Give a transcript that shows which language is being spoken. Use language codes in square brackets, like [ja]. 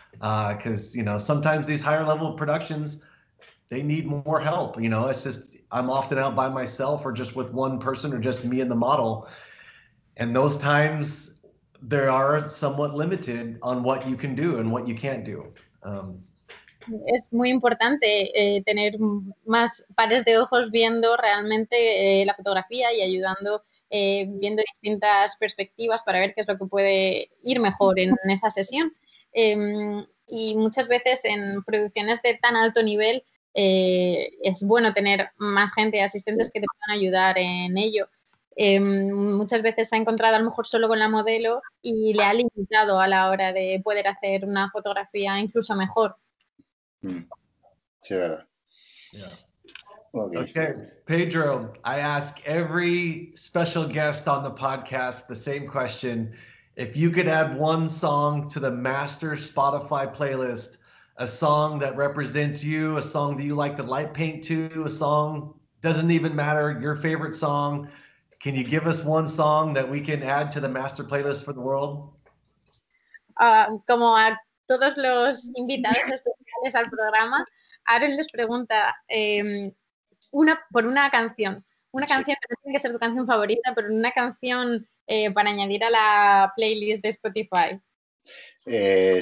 [en] Cause you know, sometimes these higher level productions, they need more help. You know, it's just, I'm often out by myself or just with one person or just me and the model. And those times there are somewhat limited on what you can do and what you can't do. [es] Es muy importante tener más pares de ojos viendo realmente la fotografía y ayudando, viendo distintas perspectivas para ver qué es lo que puede ir mejor en esa sesión. Y muchas veces en producciones de tan alto nivel es bueno tener más gente, asistentes que te puedan ayudar en ello. Muchas veces se ha encontrado a lo mejor solo con la modelo y le ha limitado a la hora de poder hacer una fotografía incluso mejor. Sí, verdad. [en] Yeah. Okay, Pedro, I ask every special guest on the podcast the same question. If you could add one song to the master Spotify playlist, a song that represents you, a song that you like to light paint to, a song, doesn't even matter, your favorite song, can you give us one song that we can add to the master playlist for the world? [es] Como a todos los invitados especiales al programa, Aaron les pregunta una canción. Una canción que tiene que ser tu canción favorita, pero una canción para añadir a la playlist de Spotify.